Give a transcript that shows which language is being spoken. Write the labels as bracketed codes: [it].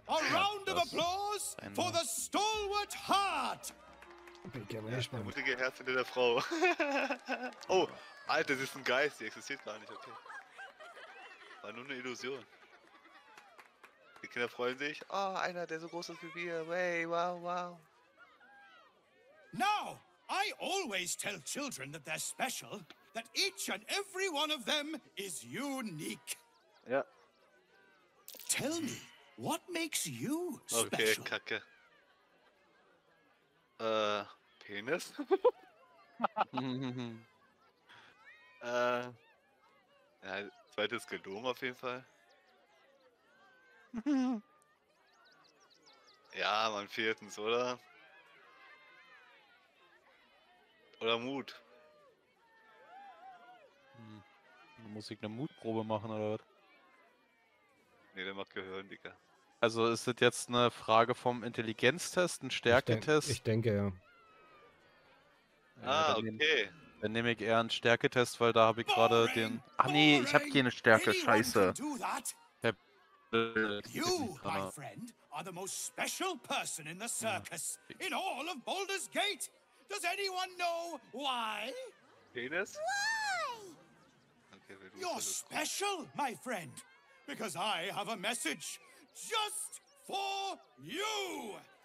[en] A round of applause for the stalwart heart. [de] Der mutige Herz hinter der Frau. Oh, Alter, sie ist ein Geist, die existiert gar nicht, okay. War nur eine Illusion. Die Kinder freuen sich. Oh, einer, der so groß ist wie wir. Hey, wow, wow. [en] Now, I always tell children that they're special, that each and every one of them is unique. [de] Ja. [en] Tell me, what makes you special? [de] Okay, Kacke. Penis? ja, zweites gelogen auf jeden Fall. Ja, man, viertens, oder? Oder Mut? Hm. Dann muss ich eine Mutprobe machen, oder was? Nee, der macht Gehirn, Digga. Also ist das jetzt eine Frage vom Intelligenztest, ein Stärketest? Ich denke, ja. Ah, okay. Dann nehme ich eher einen Stärketest, weil da habe ich gerade den... Ah nee, ich habe keine Stärke, scheiße. [en] You, my friend, are the most special person in the circus, in all of Baldur's Gate. Does anyone know why? [de] Penis? [en] Why? You're special, my friend, because I have a message just for you.